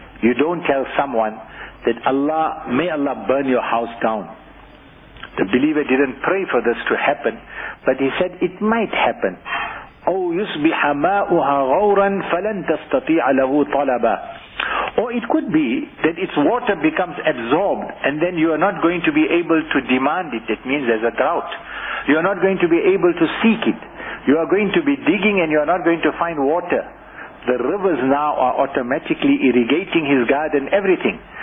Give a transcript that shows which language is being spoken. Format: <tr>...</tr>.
<en>You don't tell someone that Allah, may Allah burn your house down. The believer didn't pray for this to happen, but he said it might happen.</en> <ar>أو يصبح ماؤها غورا فلن تستطيع له طلبا.</ar> <en>Or it could be that its water becomes absorbed, and then you are not going to be able to demand it. That means there's a drought. You are not going to be able to seek it. You are going to be digging and you are not going to find water. The rivers now are automatically irrigating his garden, everything.</en>